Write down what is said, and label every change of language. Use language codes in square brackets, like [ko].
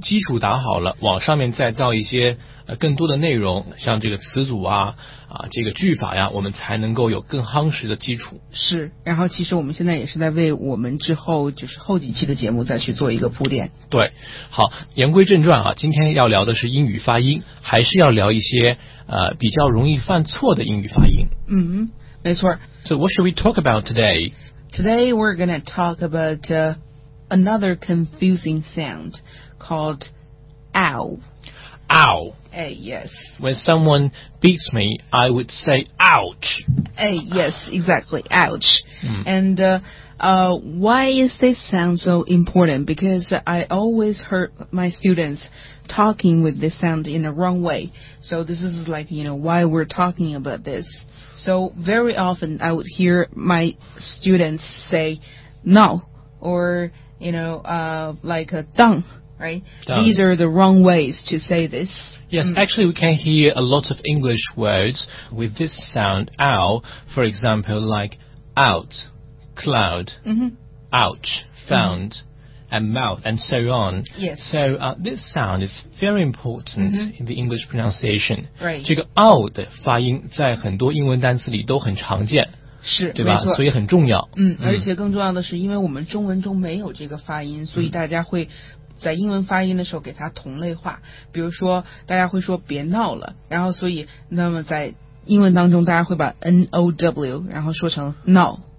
[zh] 基础打好了，往上面再造一些更多的内容，像这个词组啊这个句法呀，我们才能够有更夯实的基础。是，然后其实我们现在也是在为我们之后就是后几期的节目再去做一个铺垫。对，好，言归正传啊，今天要聊的是英语发音，还是要聊一些比较容易犯错的英语发音。嗯，没错。 [en] So what should we talk about today? Today we're going to talk about another confusing sound called ow. Ow. Yes. When someone beats me, I would say ouch. Yes, exactly, ouch. And why is this sound so important? Because I always heard my students talking with this sound in the wrong way. So this is like, you know, why we're talking about this. So very often I would hear my students say no, or, you know, like a dung, right? Dung. These are the wrong ways to say this. Yes, actually we can hear a lot of English words with this sound, ow, for example, like out, cloud, ouch, found, and mouth, and so on. Yes. So this sound is very important in the English pronunciation. Right. [zh] 这个 ow 的发音在很多英文单词里都很常见，是，对吧？所以很重要。而且更重要的是，因为我们中文中没有这个发音，所以大家会在英文发音的时候给它同类化。比如说，大家会说别闹了，然后所以那么在英文当中，大家会把 now 然后说成 no。